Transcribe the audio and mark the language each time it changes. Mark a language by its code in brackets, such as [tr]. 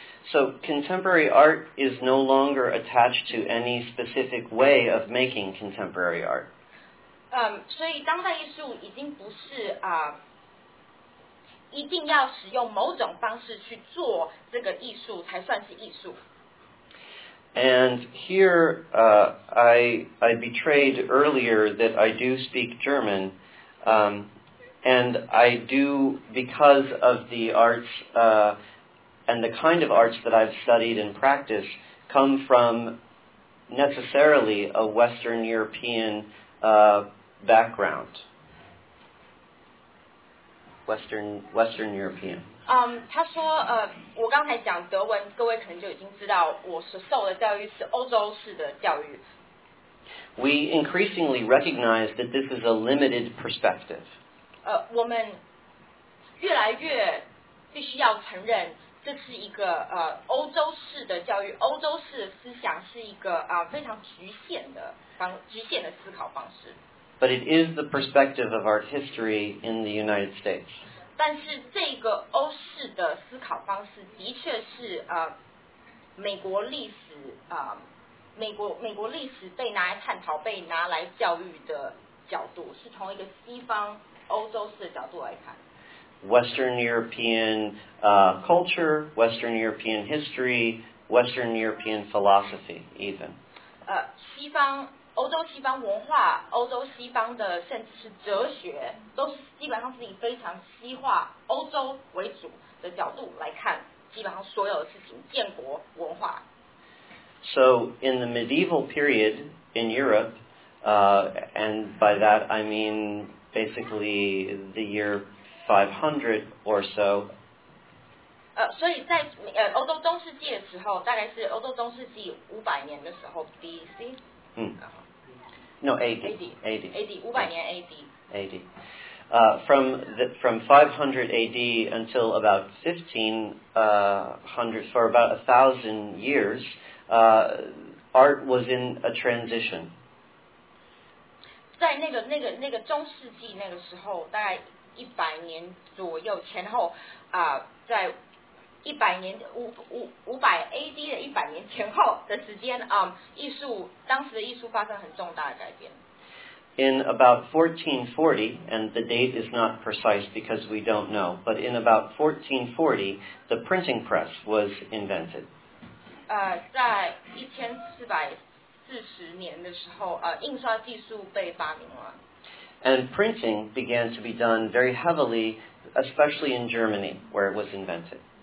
[en] So contemporary art is no longer attached to any specific way of making contemporary art. [zh] 所以当代艺术已经不是一定要使用某种方式去做这个艺术才算是艺术。 [en] And here, I betrayed earlier that I do speak German, and I do because of the arts. And the kind of arts that I've studied and practiced come from necessarily a Western European background. Western European. [zh] 他说我刚才讲德文，各位可能就已经知道我所受的教育是欧洲式的教育。 [en] We increasingly recognize that this is a limited perspective. [zh] 我们越来越必须要承认这是一个欧洲式的教育，欧洲式的思想是一个非常局限的思考方式。 [en] But it is the perspective of art history in the United States. [zh] 但是这个欧式的思考方式的确是美国历史被拿来探讨、被拿来教育的角度，是从一个西方欧洲式的角度来看。 [en] Western European culture, Western European history, Western European philosophy, even. [zh] 西方欧洲西方文化，欧洲西方的甚至是哲学，都是基本上是以非常西化欧洲为主的角度来看，基本上所有的事情，建国文化。 [en] So in the medieval period in Europe, and by that I mean basically the year 500 or so. [zh] 所以在欧洲中世纪的时候，大概是欧洲中世纪五百年的时候 ，B.C. [en] 嗯 ，No A.D. A.D. A.D. [zh] 五百年 [en] A.D. A.D. From 500 A.D. until about 1500, for about 1,000 years, art was in a transition. [zh] 在那个中世纪那个时候，大概一百年左右前后在一百年五百 AD 的一百年前后的时间艺术当时的艺术发生很重大的改变。 [en] In about 1440, and the date is not precise because we don't know, but in about 1440, the printing press was invented. [zh] 在1440年的时候印刷技术被发明了。 [en] And printing began to be done very heavily, especially in Germany, where it was invented.